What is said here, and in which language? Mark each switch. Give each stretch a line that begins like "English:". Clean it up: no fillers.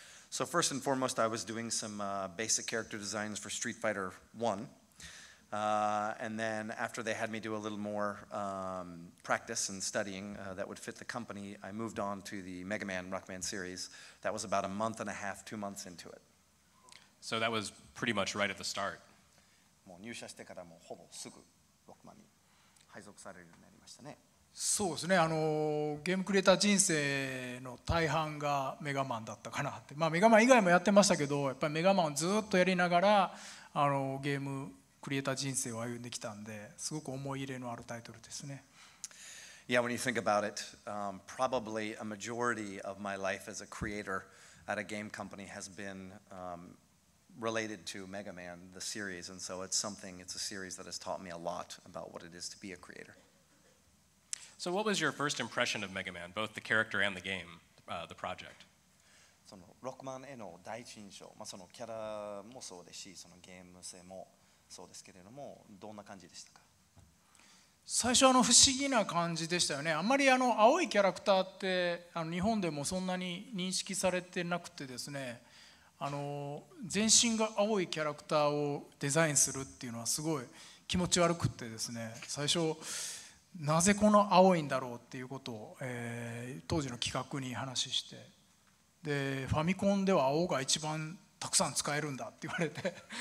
English: So first and foremost, I was doing some basic character designs for Street Fighter 1. And then after they had me do a little more practice and studying that would fit the company, I moved on to the Mega Man, Rockman series. That was about a month and a half, 2 months into it. So that was pretty much right at the start.
Japanese: もう入社してからもうほぼすぐロックマンに配属されるようになりましたね。そうですね、ゲームクリエイター人生の大半がメガマンだったかなって、まあ、メガマン以外もやってましたけど、やっぱりメガマンをずっとやりながら、ゲームクリエイター人生を歩んできたんで、すごく思い入れのあるタイトルですね。
English: Yeah, when you think about it, probably a majority of my life as a creator at a game company has been related to Mega Man, the series, and so it's something, it's a series that has taught me a lot about what it is to be a creator. So what was your first impression of Mega Man, both the character and the game, the project?
Japanese: そのロックマンへの第一印象、まあ、そのキャラもそうですし、そのゲーム性もそうですけれども、どんな感じでしたか？最初不思議な感じでしたよね。あんまり青いキャラクターって日本でもそんなに認識されてなくてですね、全身が青いキャラクターをデザインするっていうのはすごい気持ち悪くてですね、最初なぜこの青いんだろうっていうことを、当時の企画に話して、でファミコンでは青が一番たくさん使えるんだって言われて